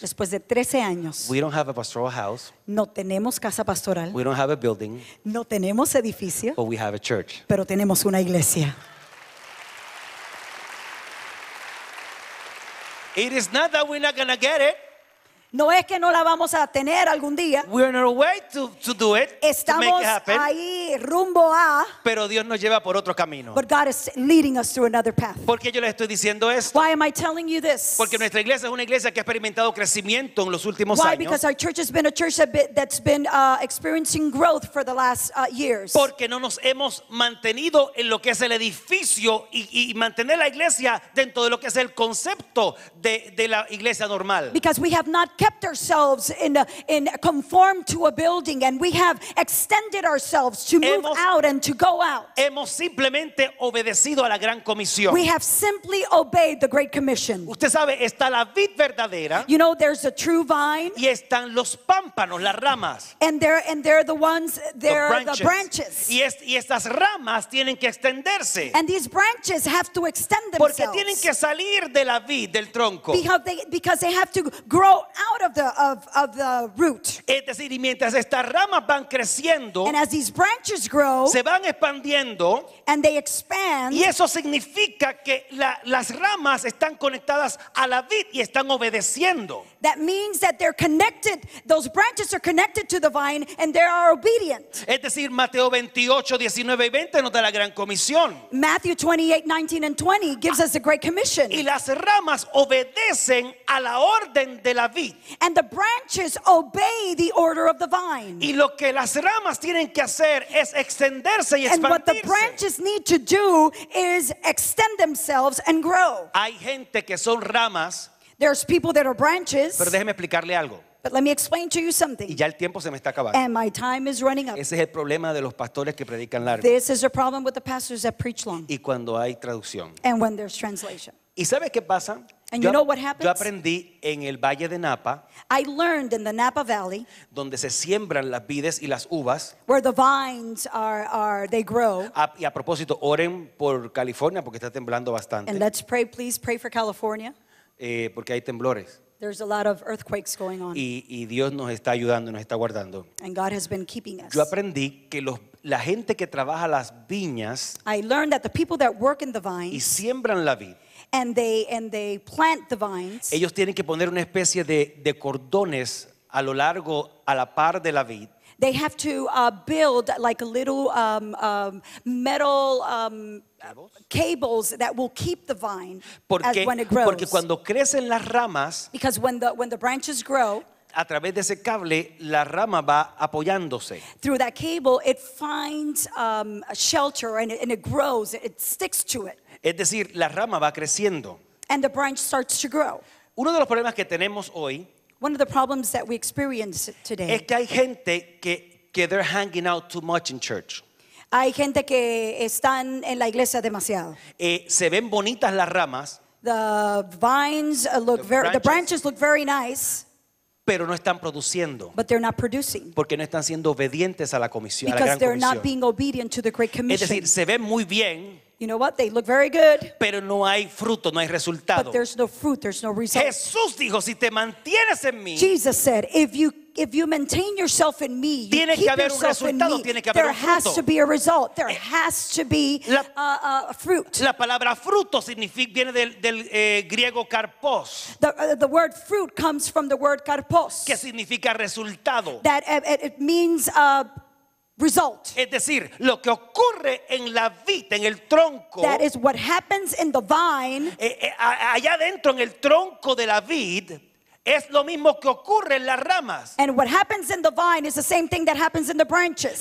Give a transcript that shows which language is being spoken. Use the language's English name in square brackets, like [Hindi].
[Spanish] Después de 13 años. [English] We don't have a pastoral house. [Spanish] No tenemos casa pastoral. [English] We don't have a building. [Spanish] No tenemos edificio. [English] But we have a church. [Spanish] Pero tenemos una iglesia. [English] It is not that we're not going to get it. [Spanish] No es que no la vamos a tener algún día. [English] We're on our way to do it. [Spanish] Estamos [English] to make it [Spanish] ahí rumbo a. Pero Dios nos lleva por otro camino. [English] But God is leading us through another path. [Spanish] ¿Por qué yo les estoy diciendo esto? [English] Why am I telling you this? [Spanish] Porque nuestra iglesia es una iglesia que ha experimentado crecimiento en los últimos [English] Why? [Spanish] Años. [English] Why? Because our church has been a church that's been experiencing growth for the last years. [Spanish] Porque no nos hemos mantenido en lo que es el edificio y mantener la iglesia dentro de lo que es el concepto de la iglesia normal. [English] Because we have not kept ourselves in conformed to a building, and we have extended ourselves to move out and to go out. [Spanish] Hemos simplemente obedecido a la gran comisión. [English] We have simply obeyed the Great Commission. [Spanish] Usted sabe, está la vid verdadera. [English] You know, there's a true vine. [Spanish] Y están los pámpanos, las ramas. [English] And they're the ones, they're the branches. The branches. [Spanish] Y estas ramas tienen que extenderse. [English] And these branches have to extend themselves. [Spanish] Porque tienen que salir de la vid, del tronco. [English] Because they have to grow out out of the of the root. [Spanish] Es decir, mientras estas ramas van creciendo, [English] and as these branches grow, [Spanish] se van expandiendo, [English] and they expand, [Spanish] y eso significa que las ramas están conectadas a la vid y están obedeciendo. [English] That means that they're connected. Those branches are connected to the vine, and they are obedient. [Spanish] Es decir, Mateo 28:19-20 nos da la gran comisión. [English] Matthew 28:19-20 gives us the great commission. [Spanish] Y las ramas obedecen a la orden de la vid. [English] And the branches obey the order of the vine. [Spanish] Y lo que las ramas tienen que hacer es extenderse y expandirse. [English] And what the branches need to do is extend themselves and grow. [Spanish] Hay gente que son ramas. [English] There's people that are branches. [Spanish] Pero déjeme explicarle algo. [English] But let me explain to you something. [Spanish] Y ya el tiempo se me está acabando. [English] And my time is running up. [Spanish] Ese es el problema de los pastores que predican largo. [English] This is a problem with the pastors that preach long. [Spanish] Y cuando hay traducción. [English] And when there's translation. [Spanish] ¿Y sabes qué pasa? [English] And you know what happens? [Spanish] Yo aprendí en el Valle de Napa. [English] I learned in the Napa Valley. [Spanish] Donde se siembran las vides y las uvas. [English] Where the vines are they grow. [Spanish] Y a propósito, oren por California porque está temblando bastante. [English] And let's pray, please pray for California. [Spanish] Porque hay temblores. [English] There's a lot of earthquakes going on. [Spanish] Y Dios nos está ayudando, nos está guardando. [English] And God has been keeping us. [Spanish] Yo aprendí que la gente que trabaja las viñas. [English] I learned that the people that work in the vines. [Spanish] Y siembran la vid. [English] And they plant the vines. [Spanish] Ellos tienen que poner una especie de cordones a lo largo, a la par de la vid. [English] They have to build like a little metal cables that will keep the vine [Spanish] porque, [English] as when it grows. [Spanish] Porque cuando crecen las ramas, [English] because when the branches grow, [Spanish] a través de ese cable la rama va apoyándose. [English] Through that cable it finds a shelter and it grows, it sticks to it. [Spanish] Es decir, la rama va creciendo. [English] And the branch starts to grow. [Spanish] Uno de los problemas que tenemos hoy. [English] One of the problems that we experience today. [Spanish] Es que hay gente que [English] they're hanging out too much in church. [Spanish] Hay gente que están en la iglesia demasiado. Se ven bonitas las ramas. [English] The vines look the branches look very nice. [Spanish] Pero no están produciendo. [English] But they're not producing. [Spanish] Porque no están siendo obedientes a la comisión. [English] Because [Spanish] a la gran [English] they're [Spanish] comisión. [English] Not being obedient to the great commission. [Spanish] Es decir, se ven muy bien. [English] You know what? They look very good. [Spanish] Pero no hay fruto, no hay resultado. [English] But there's no fruit, there's no result. [Spanish] Jesús dijo, si te mantienes en mí. [English] Jesus said, if you maintain yourself in me, you [Spanish] tiene [English] keep [Spanish] que haber [English] yourself [Spanish] un resultado, [English] in me, [Spanish] tiene que [English] there [Spanish] haber un [English] has [Spanish] fruto. [English] To be a result. There has to be a fruit. [Spanish] La palabra fruto significa, viene del griego carpos. [English] The word fruit comes from the word carpos. [Spanish] Que significa resultado. [English] That it means a result. [Spanish] Es decir, lo que ocurre en la vid, en el tronco. [English] That is what happens in the vine. [Spanish] Allá dentro en el tronco de la vid es lo mismo que ocurre en las ramas. [English] And what happens in the vine is the same thing that happens in the branches.